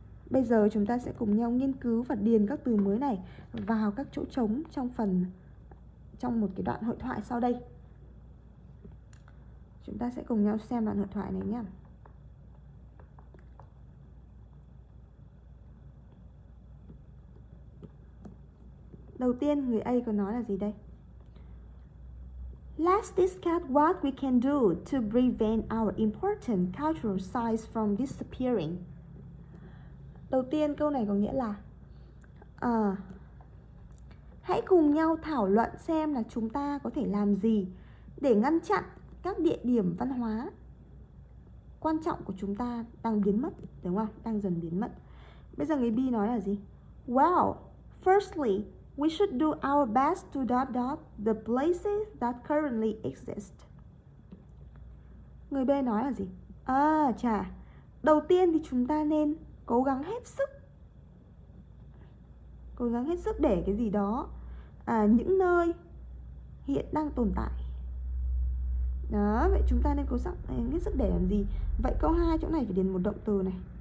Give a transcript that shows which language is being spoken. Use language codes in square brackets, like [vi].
[vi] Bây giờ chúng ta sẽ cùng nhau nghiên cứu và điền các từ mới này vào các chỗ trống trong phần, trong một cái đoạn hội thoại sau đây. Chúng ta sẽ cùng nhau xem đoạn hội thoại này nhé. Đầu tiên, người A có nói là gì đây? [en] Let's discuss what we can do to prevent our important cultural sites from disappearing. [vi] Đầu tiên, câu này có nghĩa là hãy cùng nhau thảo luận xem là chúng ta có thể làm gì để ngăn chặn các địa điểm văn hóa quan trọng của chúng ta đang biến mất, đúng không? Đang dần biến mất. Bây giờ người B nói là gì? [en] Well, firstly, we should do our best to dot dot the places that currently exist. [vi] Người B nói là gì? Đầu tiên thì chúng ta nên cố gắng hết sức. Cố gắng hết sức để cái gì đó những nơi hiện đang tồn tại. Đó, vậy chúng ta nên cố gắng hết sức để làm gì? Vậy câu 2 chỗ này phải điền một động từ này.